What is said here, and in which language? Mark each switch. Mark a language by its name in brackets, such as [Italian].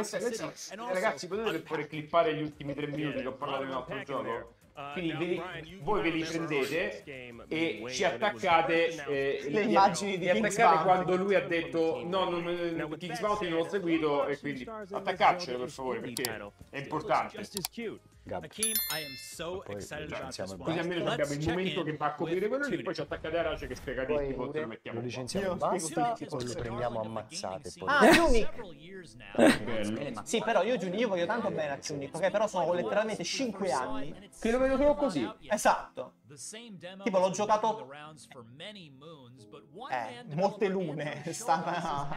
[Italian] Ragazzi, potete pure clippare gli ultimi 3 minuti che ho parlato di un altro gioco? Quindi voi ve li prendete e ci attaccate le immagini di Kings Bounty quando lui ha detto no, Kings Bounty non l'ho seguito, e quindi attaccacelo per favore perché è importante. [English] Hakeem, I am so excited about this one. [Italian] Così almeno abbiamo il momento che va a coprire quello lì, poi ci attaccate a Rage che spiega di tipo te lo mettiamo. Lo licenziamo basta o lo prendiamo ammazzate poi. Ah, Junik! Sì, però io Junik, io voglio tanto bene a Junik, ok, però sono letteralmente 5 anni che lo vedo solo così. Esatto. Tipo l'ho giocato molte lune è stata...